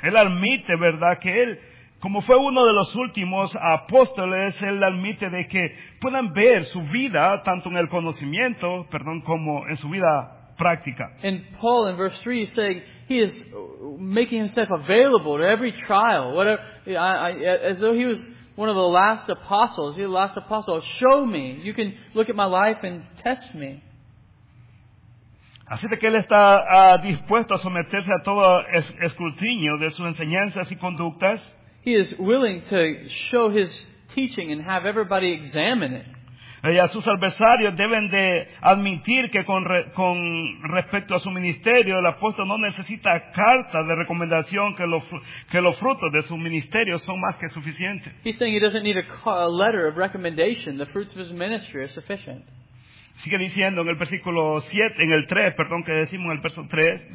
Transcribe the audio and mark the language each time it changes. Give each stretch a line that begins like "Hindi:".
Spanish: Él admite, ¿verdad?, que él, como fue uno de los últimos apóstoles, él admite de que puedan ver su vida, tanto en el conocimiento, perdón, como en su vida práctica.
English: And Paul, in verse 3, is saying he is making himself available to every trial, as though he was one of the last apostles. He's the last apostle. Show me. You can look at my life and test me.
Spanish: Así de que él está dispuesto a someterse a todo escrutinio de sus enseñanzas y conductas.
English: He is willing to show his teaching and have everybody examine it.
Spanish: Y a sus adversarios deben de admitir que con respecto a su ministerio, el apóstol no necesita carta de recomendación, que los frutos de su ministerio son más que suficientes.
English: He's saying he doesn't need a letter of recommendation. The fruits of his ministry are sufficient.
Spanish: Sigue diciendo en el versículo 7, en el 3, perdón, que decimos en el verso 3.